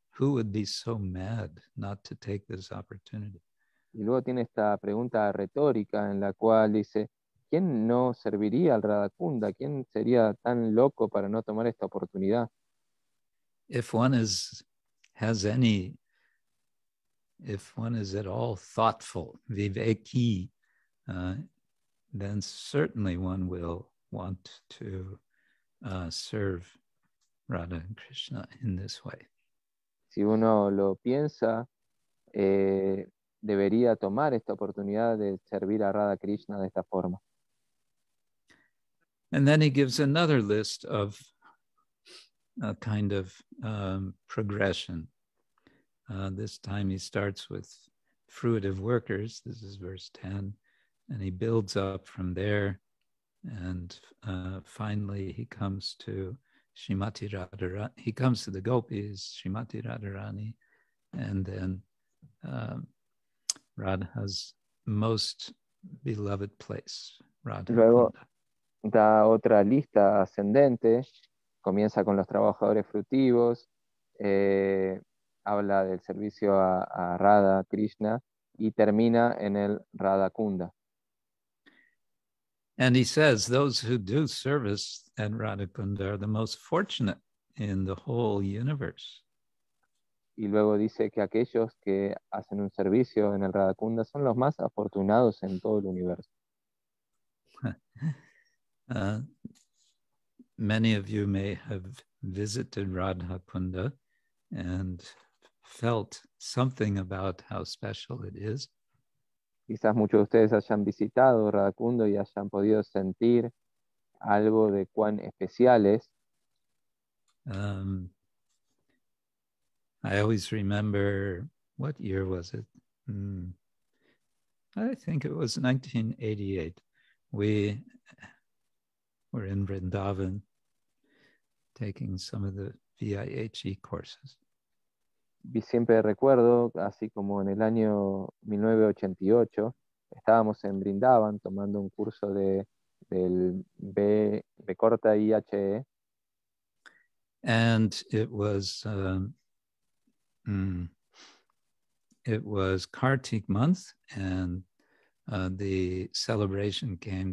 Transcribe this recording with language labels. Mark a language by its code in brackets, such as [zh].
[en] Who would be so mad not to take this opportunity? [es] Y luego tiene esta pregunta retórica en la cual dice, ¿quién no serviría al Radha Kunda? ¿Quién sería tan loco para no tomar esta oportunidad? [en] If one is, has any, if one is at all thoughtful, viveki, then certainly one will want to serve Radha and Krishna in this way. [es] Si uno lo piensa, debería tomar esta oportunidad de servir a Radha Krishna de esta forma. [en] And then he gives another list of a kind of progression. This time he starts with fruitive workers. This is verse 10. And he builds up from there. And finally, he comes to Srimati Radharani. He comes to the gopis, Srimati Radharani, and then Radha's most beloved place, Radha. [es] Luego da otra lista ascendente. Comienza con los trabajadores frutivos. Habla del servicio a Radha Krishna y termina en el Radha Kunda. [en] And he says, those who do service at Radha Kunda are the most fortunate in the whole universe. [es] Y luego dice que aquellos que hacen un servicio en el Radha Kunda son los más afortunados en todo el universo. [en] Many of you may have visited Radha Kunda and felt something about how special it is. [es] Quizás muchos de ustedes hayan visitado Radha Kunda y hayan podido sentir algo de cuán especial es. [en] I always remember, what year was it? I think it was 1988. We were in Vrindavan taking some of the VIHE courses. [es] Y siempre recuerdo, así como en el año 1988, estábamos en Vrindavan tomando un curso del B corta IHE. [en] And it was Kartik month, and the celebration came.